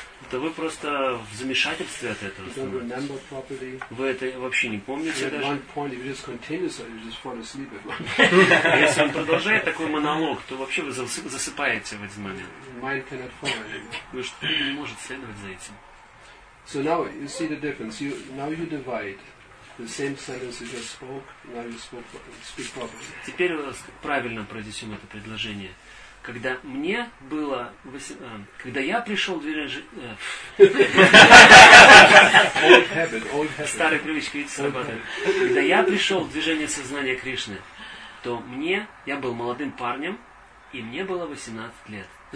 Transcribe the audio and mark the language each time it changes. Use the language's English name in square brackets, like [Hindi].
[Russian] то вы просто в замешательстве от этого становитесь. Вы это вообще не помните даже. Если он продолжает такой монолог, то вообще вы засыпаете в этот момент. Потому что ум не может следовать за этим. [English] So now you see the difference. You, now you divide the same sentence you just spoke. Now you speak properly. [Russian] Теперь мы правильно произнесем это предложение. Когда мне было, когда я пришел в движение, старая привычка, видите, срабатывает. Когда я пришел в движение сознания Кришны, то мне, я был молодым парнем, и мне было 18 лет.